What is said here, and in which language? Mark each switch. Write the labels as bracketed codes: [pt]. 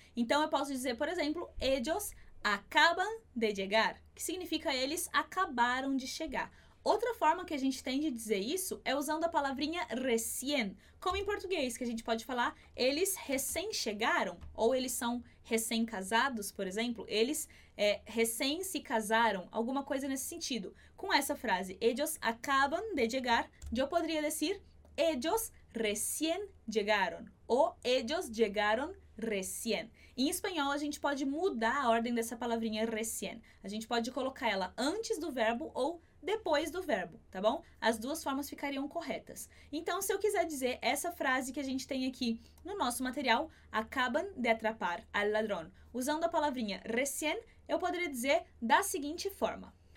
[pt] Então, eu posso dizer, por exemplo, [es] ellos acaban de llegar, [pt] que significa eles acabaram de chegar. Outra forma que a gente tem de dizer isso é usando a palavrinha recién, como em português, que a gente pode falar eles recém chegaram, ou eles são recém-casados, por exemplo, eles recém se casaram, alguma coisa nesse sentido. Com essa frase, [es] ellos acaban de llegar, [pt] eu poderia dizer [es] ellos recién llegaron, [pt] ou [es] ellos llegaron recién. [pt] Em espanhol, a gente pode mudar a ordem dessa palavrinha recién. A gente pode colocar ela antes do verbo ou depois do verbo, tá bom? As duas formas ficariam corretas. Então, se eu quiser dizer essa frase que a gente tem aqui no nosso material, [es] acaban de atrapar al ladrón, [pt] usando a palavrinha recién, eu poderia dizer da seguinte forma.